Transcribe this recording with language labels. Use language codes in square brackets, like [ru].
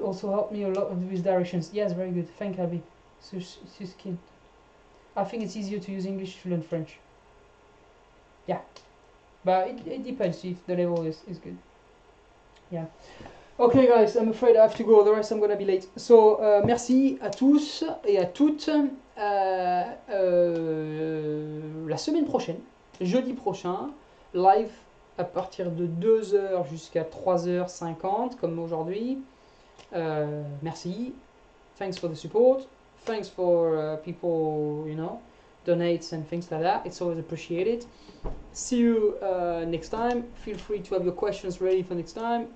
[en] Also helped me a lot with directions. Yes, very good. Thank Abby. Suskin. I think it's easier to use English to learn French. Yeah. But it depends if the level is good. Yeah. Okay, guys, I'm afraid I have to go, otherwise I'm gonna be late. [fr] So, merci à tous et à toutes. La semaine prochaine, jeudi prochain, live à partir de 2h jusqu'à 3h50, comme aujourd'hui. [en] Merci. Thanks for the support. Thanks for people, you know, donates and things like that. It's always appreciated. See you next time. Feel free to have your questions ready for next time.